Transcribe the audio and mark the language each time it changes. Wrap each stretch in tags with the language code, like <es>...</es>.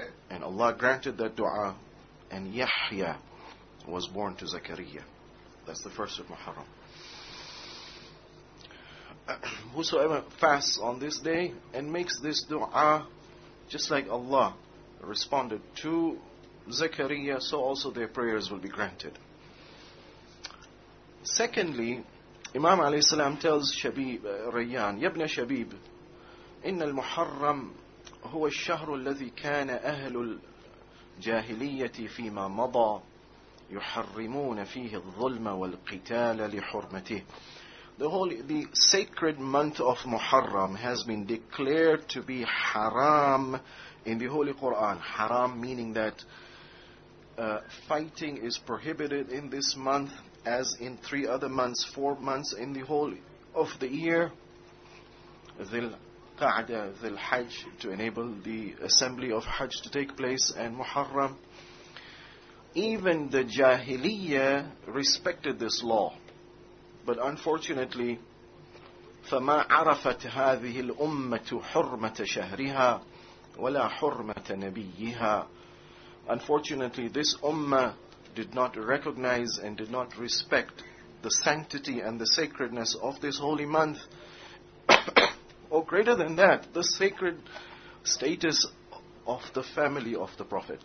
<en>And Allah granted that dua, and Yahya was born to Zakariya. That's the first of Muharram. Whosoever fasts on this day and makes this dua, just like Allah responded to Zakariya, so also their prayers will be granted. Secondly, Imam alayhi salam tells Shabib,</en> <ar>Rayyan, Yabna Shabib, Inna al-Muharram هو الشهر الذي كان أهل الجاهلية فيما مضى يحرمون فيه الظلم والقتال لحرمته.</ar> <en>The sacred month of Muharram has been declared to be haram in the Holy Quran. Haram meaning that fighting is prohibited in this month, as in three other months, 4 months in the whole of the year. Qa'da, Dhul Hajj, to enable the assembly of Hajj to take place, and Muharram. Even the Jahiliyya respected this law. But unfortunately,</en> <ar>فَمَا عَرَفَتْ هَذِهِ الْأُمَّةُ حُرْمَةَ شَهْرِهَا ولا حرمة نبيها.</ar> <en>Unfortunately, this ummah did not recognize and did not respect the sanctity and the sacredness of this holy month, or greater than that, the sacred status of the family of the Prophet.</en>